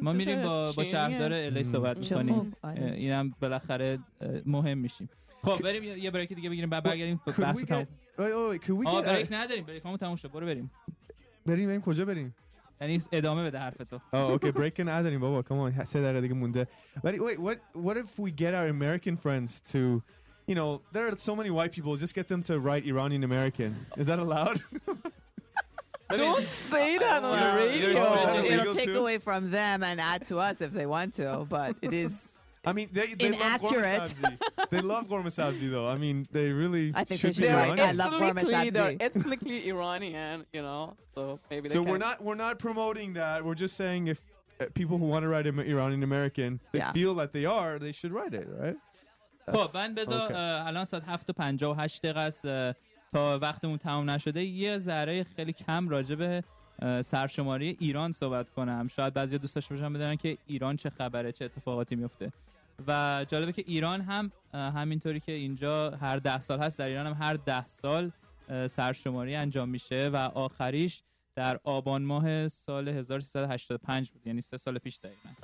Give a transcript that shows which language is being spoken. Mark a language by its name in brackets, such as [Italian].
[Persian] ما میریم با شهردار الی صحبت میکنیم. اینم بالاخره مهم میشیم. خب بریم یه بریک دیگه بگیریم بعد برگردیم بحث تام. اوه بریک نداریم. بریکمون تموم شد. برو بریم. بریم کجا بریم؟ یعنی ادامه بده حرفتو. اوکی بریک کن نداریم بابا. کام اون 3 دقیقه دیگه مونده. ولی [English] wait, what if we get our American friends to, you know, there are so many white people, just get them to write Iranian American. Is that allowed? Don't say that on the radio. It'll take away from them and add to us if they want to, but it is I mean, they inaccurate. They love Gorma Sabzi, though. I mean, they really should be Iranian. Right. I love Gorma Sabzi. They're ethnically Iranian, you know. So maybe. So can. we're not promoting that. We're just saying if people who want to write Iranian American, they feel that they are, they should write it, right? [Persian] خب من بذار الان ساعت 7:58 دقیقه است تا وقتمون تموم نشده یه ذره خیلی کم راجع به سرشماری ایران صحبت کنم. شاید بعضی دوست داشته باشن بدونن که ایران چه خبره، چه اتفاقاتی میفته. و جالبه که ایران هم همینطوری که اینجا هر 10 سال هست، در ایران هم هر 10 سال سرشماری انجام میشه و آخریش در آبان ماه سال 1385 بود، یعنی 3 سال پیش دقیقا.